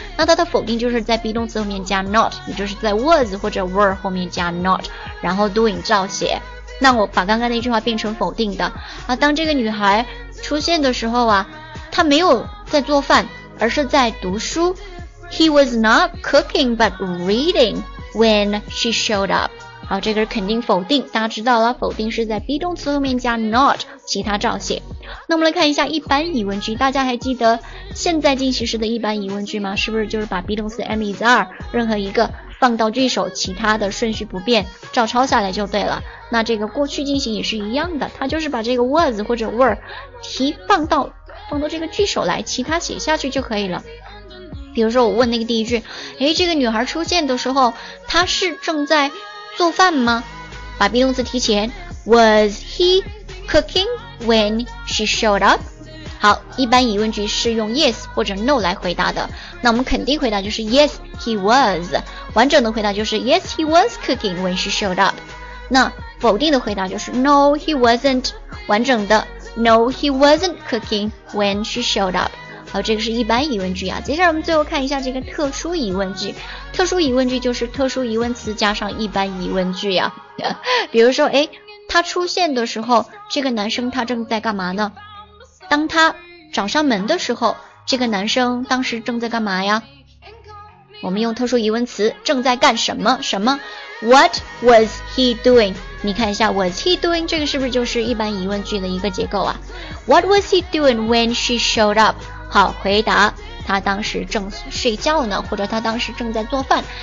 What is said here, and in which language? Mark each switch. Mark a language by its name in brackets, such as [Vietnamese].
[Chinese] 那它的否定就是在 be 动词后面加 not， 也就是在 was 或者 were 后面加 not， 然后 doing 照写。那我把刚刚那句话变成否定的啊，当这个女孩出现的时候啊，她没有在做饭，而是在读书。 [English] He was not cooking but reading when she showed up。 [Chinese] 好，这个是肯定否定，大家知道了，否定是在 be 动词后面加 not， 其他照写。那我们来看一下一般疑问句，大家还记得现在进行时的一般疑问句吗？是不是就是把 be 动词 am is are 任何一个放到这首其他的顺序不变，照抄下来就对了。那这个过去进行也是一样的，它就是把这个 was 或者 were 提放到这个句首来，其他写下去就可以了。比如说我问那个第一句，诶，这个女孩出现的时候她是正在做饭吗？把 be 动词提前， [English] was he cooking when she showed up。 [Chinese] 好，一般疑问句是用 yes 或者 no 来回答的，那我们肯定回答就是 [English] yes he was， [Chinese] 完整的回答就是 [English] yes he was cooking when she showed up。 [Chinese] 那否定的回答就是 [English] no he wasn't， [Chinese] 完整的 [English] No, he wasn't cooking when she showed up。 [Chinese] 好，这个是一般疑问句啊。接下来我们最后看一下这个特殊疑问句。特殊疑问句就是特殊疑问词加上一般疑问句啊。比如说，诶，他出现的时候，这个男生他正在干嘛呢？当他找上门的时候，这个男生当时正在干嘛呀？我们用特殊疑问词，正在干什么？什么？ [English] What was he doing? [Chinese] 你看一下 [English] was he doing [Chinese] 这个是不是就是一般疑问句的一个结构啊？ [English] What was he doing when she showed up? [Chinese] 好，回答，他当时正睡觉呢，或者他当时正在做饭。